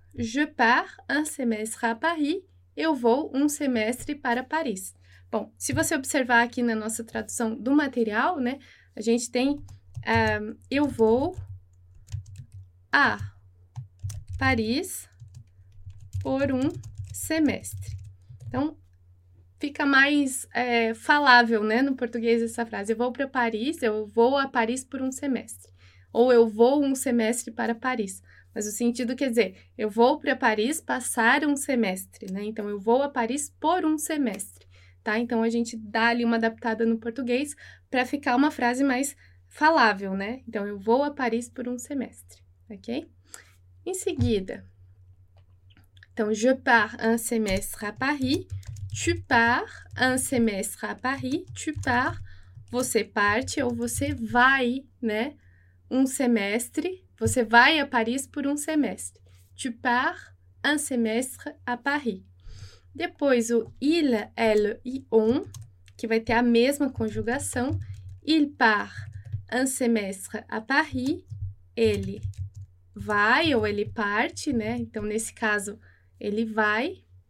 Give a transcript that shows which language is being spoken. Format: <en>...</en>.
<fr>Je pars un semestre à Paris.</fr> <pt>Eu vou um semestre para Paris. Bom, se você observar aqui na nossa tradução do material, né, a gente tem eu vou a Paris por um semestre. Então, fica mais falável, né, no português essa frase. Eu vou para Paris, eu vou a Paris por um semestre. Ou eu vou um semestre para Paris. Mas o sentido quer dizer, eu vou para Paris passar um semestre, né? Então, eu vou a Paris por um semestre, tá? Então, a gente dá ali uma adaptada no português para ficar uma frase mais falável, né? Então, eu vou a Paris por um semestre, ok? Em seguida, então,</pt> <fr>je pars un semestre à Paris, tu pars</fr> <pt>un semestre à Paris, tu pars, você parte ou você vai, né? Um semestre. Você vai a Paris por um semestre.</pt> <fr>Tu pars un semestre à Paris.</fr> <pt>Depois o il, elle e on, que vai ter a mesma conjugação.</pt> <fr>Il part un semestre à Paris.</fr> <pt>Ele vai ou ele parte, né? Então, nesse caso, ele vai.</pt>